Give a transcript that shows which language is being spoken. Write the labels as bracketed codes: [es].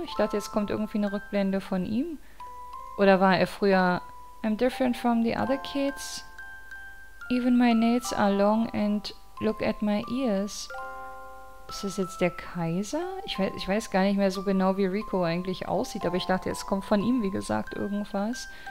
[de] Ich dachte, jetzt kommt irgendwie eine Rückblende von ihm. Oder war er früher... [en] I'm different from the other kids. Even my nails are long and look at my ears. [de] Ist das jetzt der Kaiser? Ich weiß gar nicht mehr so genau, wie Rico eigentlich aussieht, aber ich dachte, es kommt von ihm, wie gesagt, irgendwas.